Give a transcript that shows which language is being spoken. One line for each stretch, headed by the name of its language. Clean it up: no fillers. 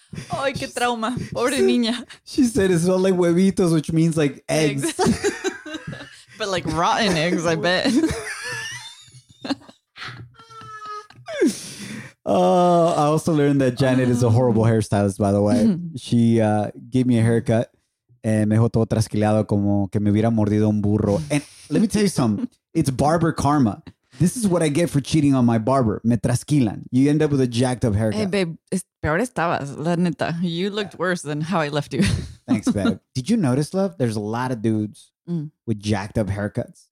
Spanish: Ay, qué trauma. Pobre niña.
English: She said it smelled like huevitos, which means like eggs. But like rotten eggs, I bet. I also learned that Janet is a horrible hairstylist, by the way. She gave me a haircut.
Spanish: Mejor todo trasquilado como que me hubiera mordido un burro.
English: And let me tell you something. It's barber karma. This is what I get for cheating on my barber.
Spanish: Me trasquilan.
English: You end up with a jacked up haircut. Hey, babe.
Spanish: Peor estabas, la neta.
English: You looked worse than how I left you. Thanks, babe. Did you notice, love? There's a lot of dudes with jacked up haircuts.